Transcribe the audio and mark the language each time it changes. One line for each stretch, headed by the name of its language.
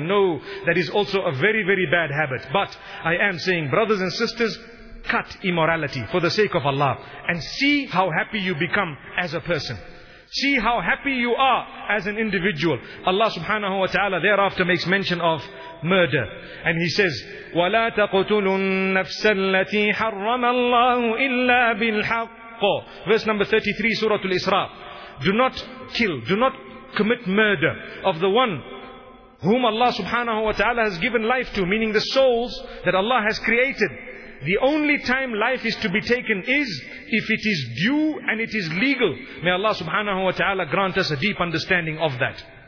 English: No, that is also a very, very bad habit. But I am saying, brothers and sisters, cut immorality for the sake of Allah. And see how happy you become as a person. See how happy you are as an individual. Allah subhanahu wa ta'ala thereafter makes mention of murder. And he says,
Arabic: وَلَا تَقْتُلُوا النَّفْسَ الَّتِي حَرَّمَ اللَّهُ إِلَّا بِالْحَقِّ
English: Verse number 33, Surah Al-Isra. Do not kill, do not commit murder of the one whom Allah subhanahu wa ta'ala has given life to, meaning the souls that Allah has created. The only time life is to be taken is if it is due and it is legal. May Allah subhanahu wa ta'ala grant us a deep understanding of that.